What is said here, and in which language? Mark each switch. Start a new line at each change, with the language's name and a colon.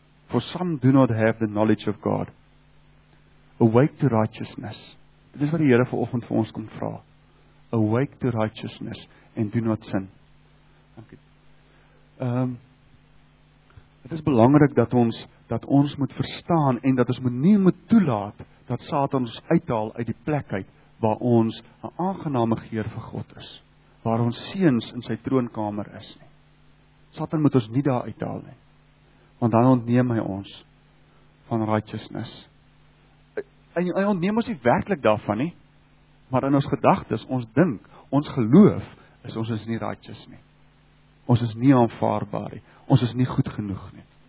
English: For some do not have the knowledge of God. Awake to righteousness.
Afrikaans: Dit is wat die Here vanoggend vir ons kom vra.
English: Awake to righteousness and do not sin. Dankie.
Afrikaans: Dit is belangrik dat ons moet verstaan en dat ons nie moet toelaat dat Satan ons uithaal uit die plek uit waar ons 'n aangename geur vir God is, waar ons seuns in sy troonkamer is nie. Satan moet ons nie daar uithaal nie. Want dan ontneem hy ons van righteousness. Hy ontneem ons nie werklik daarvan nie. Maar in ons gedagtes, ons dink, ons geloof, is ons is nie righteous nie. Ons is nie aanvaarbaar nie. Ons is nie goed genoeg nie.